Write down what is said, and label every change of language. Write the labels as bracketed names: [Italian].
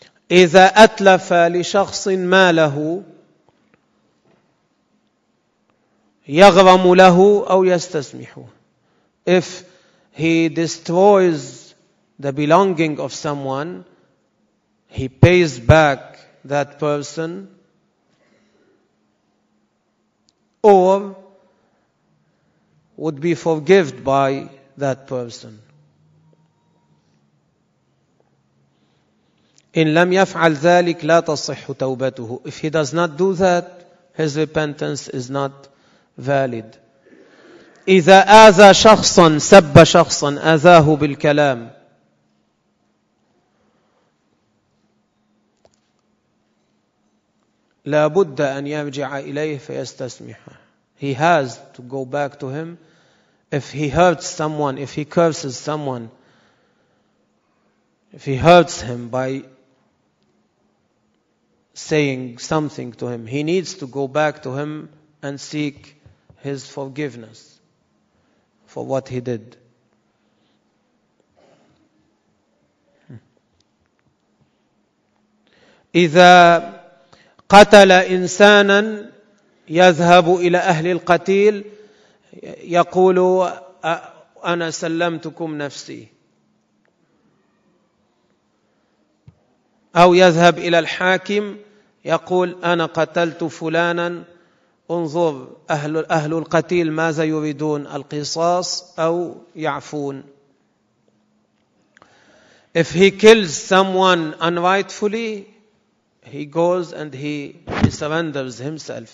[Arabic] إذا أتلف لشخص ماله يغرم له أو يستسمحه. [English] If he destroys the belonging of someone, he pays back that person, or would be forgiven by that person. [Arabic] إن لم يفعل ذلك لا تصح توبته. [English] If he does not do that, his repentance is not valid. [Arabic] إذا آذى شخصا، سب شخصا، آذاه بالكلام، لا بد أن يرجع إليه فيستسمحه. [English] He has to go back to him. If he hurts someone, if he curses someone, if he hurts him by saying something to him, he needs to go back to him and seek his forgiveness for what he did. [Arabic] إذا قتل إنسانا يذهب إلى أهل القتيل يقول أنا سلمتكم نفسي، أو يذهب إلى الحاكم يقول أنا قتلت فلانا، انظر أهل القتيل ماذا يريدون، القصاص أو يعفون. [English] If he kills someone unrightfully, he goes and he surrenders himself.